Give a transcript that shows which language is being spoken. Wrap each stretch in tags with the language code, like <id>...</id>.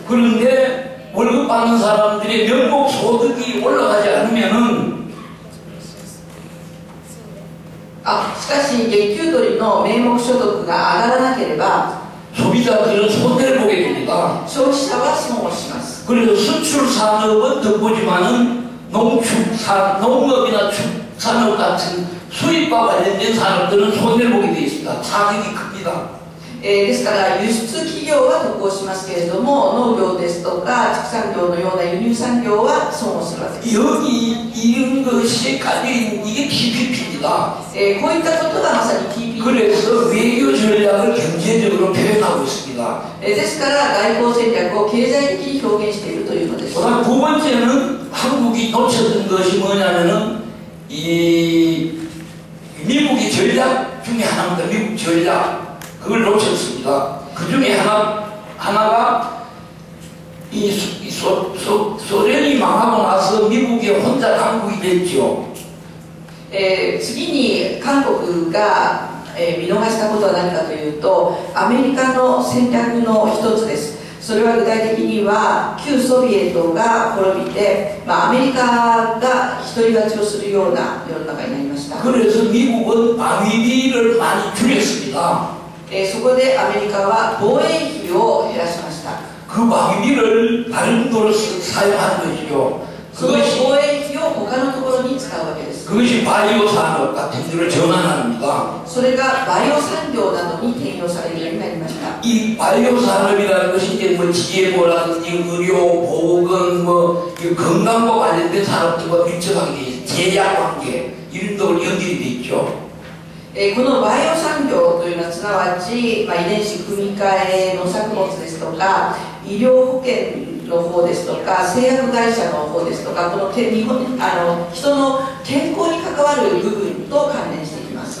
<ko>그런데월급받는사람들의명목소득이올라가지않으면은</ko> <ja>아しかし月給取りの名目所得が上がらなければ</ja> <ko>소비자들은손해를보게됩니다</ko> <ja>消費者は損をします</ja> <ko>그래서수출산업은득보지만은농업이나축산업같은수입과관련된산업들은손해를보게되어있습니다타격이큽니다</ko> <ja>ですから輸出企業は得をしますけれども農業ですとか畜産業のような輸入産業は損をするわけです</ja> <ko>여기이런것이가지고있는이게 TPP 입니다</ko> <ja>こういったことがまさに TPP</ja> <ko>그래서외교전략을경제적으로표현하고있습니다</ko> <ja>ですから外交戦略を経済的に表現しているということです</ja> <ko>두번째는한국이놓쳤던것이뭐냐면은이미국의전략중에하나입니다미국전략그걸놓쳤습니다그중에하나가이소련이망하고나서미국이혼자강국이됐죠</ko> <ja>次に韓国が見逃したことは何かというとアメリカの戦略の一つですそれは具体的には旧ソビエトが滅びて、まあ、アメリカが独り立ちをするような世の中になりました</ja> <ko>그래서미국은방위비를많이줄였습니다</ko> <ja>そこでアメリカは防衛費を減らしました。</ja> <ko>그방위비를다른곳으로사용하는것이죠 그것이</ko> <ja>防衛費を他のところに使うわけです</ja> <ko>그것이바이오산업같은데로전환합니다</ko> <ja>それがバイオ産業などに転用されるようになりました</ja> <ko>いい바이오산업이라는것이이제뭐지혜보라든지의료보건뭐건강과관련된산업들과밀접한게제약관계이런쪽으로연결이되어있죠</ko> <ja>このバイオ産業というのはすなわち、まあ、遺伝子組み換え農作物ですとか医療保険の方ですとか製薬会社の方ですとかこの日本あの人の健康に関わる部分と関連していきます</ja>